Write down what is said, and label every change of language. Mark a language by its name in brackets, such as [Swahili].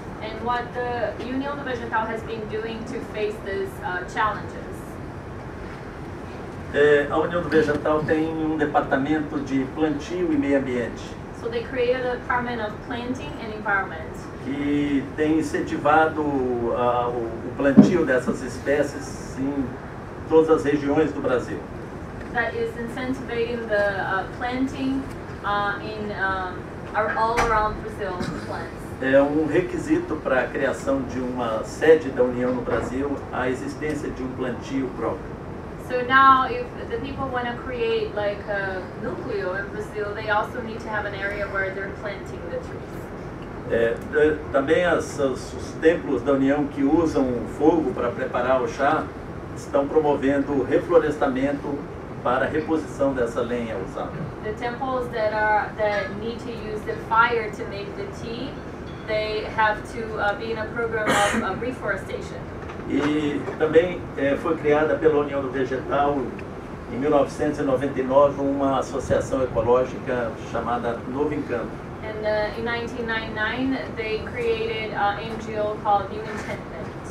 [English] And what the Union do Vegetal has been doing to face these challenges. [Portuguese] A União do Vegetal tem um departamento de plantio e meio ambiente. [English] So they created a department of planting and environment. [Portuguese] Que tem incentivado o plantio dessas espécies em todas as regiões do Brasil. [English] That is incentivizing the planting all around Brazil plants. [Portuguese] É um requisito para a criação de uma sede da União no Brasil a existência de um plantio próprio. [English] So now if the people want to create like a núcleo in Brazil, they also need to have an area where they're planting the trees. [Portuguese] Também os templos da União que usam fogo para preparar o chá estão promovendo reflorestamento para a reposição dessa lenha usada. [English] The temples that need to use the fire to make the tea, they have to be in a program of reforestation. [Portuguese] E também foi criada pela União do Vegetal, em 1999, uma associação ecológica chamada Novo Encanto. [English] And in 1999, they created an NGO called New Enchantment.